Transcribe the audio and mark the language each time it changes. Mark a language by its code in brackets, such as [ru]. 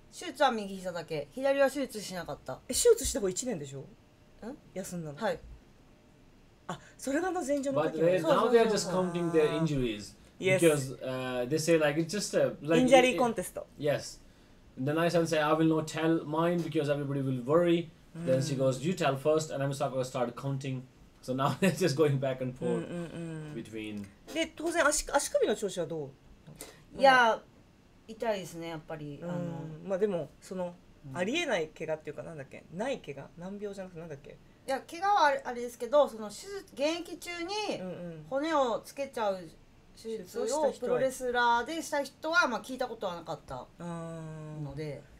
[ja] 手術は右膝だけ、左は手術しなかった。え、手術した方が1年でしょ？ん？休んだの。はい。あ、それがの前十の時。 [en] But now they are just counting their injuries. Yes. Because they say like it's just a like, injury contest. Yes. The nice one say I will not tell mine because everybody will worry. Then she goes, you tell first, and I'm going to start counting. So now they're just going back and forth between. [ja] で当然足首の調子はどう？いや、痛いですねやっぱり。まあでもそのありえない怪我っていうか、なんだっけ、ない怪我、難病じゃなくてなんだっけ？や怪我はあれですけど、その手術現役中に骨をつけちゃう手術をプロレスラーでした人はまあ聞いたことはなかったので。